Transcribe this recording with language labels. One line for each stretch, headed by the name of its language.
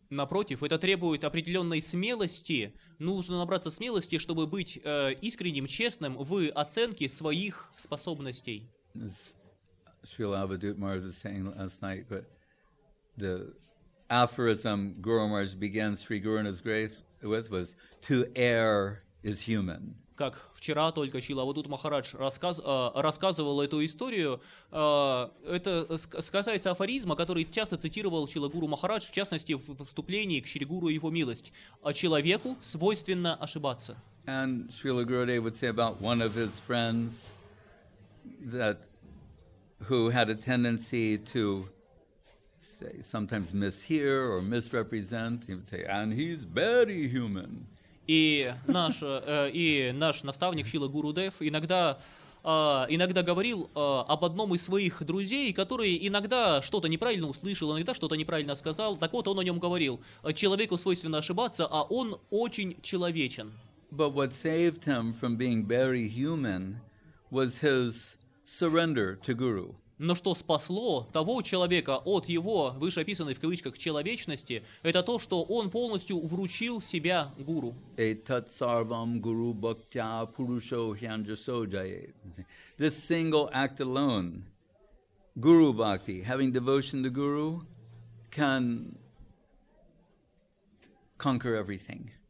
Russian: Напротив, это требует определенной смелости. Нужно набраться смелости, чтобы быть искренним, честным в оценке своих способностей.
English: Srila Avadhut Maharaj was saying last night, but the aphorism Guru Maharaj began Sri Guruna's grace with was "To err is human."
Russian: Как вчера только Шрила Авадхут Махарадж рассказывал эту историю, это касается афоризма, который часто цитировал Шрила Гуру Махарадж, в частности в вступлении к Шри Гуру и его милость. А человеку свойственно ошибаться.
English: And Srila Gurudev would say about one of his friends that who had a tendency to sometimes mishear or misrepresent, he would say, and he's very human.
Russian: И наш наставник Шрила Гурудев иногда говорил об одном из своих друзей, который иногда что-то неправильно услышал, иногда что-то неправильно сказал. Так вот, он о нем говорил: человеку свойственно ошибаться, а он очень человечен.
English: But what saved him from being very human was his surrender to Guru.
Russian: Но что спасло того человека от его вышеописанной в кавычках человечности, это то, что он полностью вручил себя гуру.
Sanskrit: Этат сарвам гуру бхактя пурушо хьянджасо джаят.
English: This single act alone, guru bhakti, having devotion to guru, can conquer everything.